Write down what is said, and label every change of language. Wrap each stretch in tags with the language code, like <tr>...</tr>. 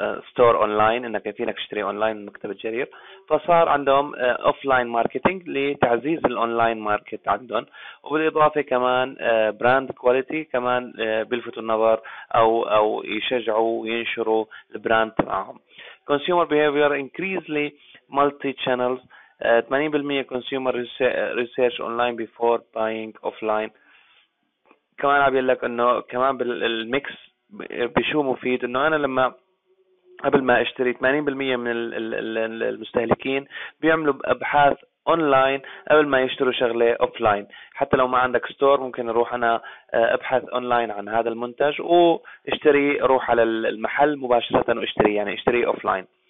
<ar>ستور اونلاين، انك فينك تشتري اونلاين من مكتب الجرير، فصار عندهم اوفلاين ماركتينج لتعزيز الاونلاين ماركت عندهم، وبالاضافه كمان براند كواليتي كمان بيلفتوا النظر او يشجعوا وينشروا البراند تبعهم.</ar> <en>Consumer behaviour increasingly multi channels 80% consumer research online before buying offline.</en> <ar>كمان عم يقول لك انه كمان بالميكس بشو مفيد، انه انا لما قبل ما اشتري 80% من المستهلكين بيعملوا ابحاث اونلاين قبل ما يشتروا شغله اوفلاين، حتى لو ما عندك ستور ممكن اروح انا ابحث اونلاين عن هذا المنتج واشتري، اروح على المحل مباشره واشتري، يعني اشتري اوفلاين.</ar>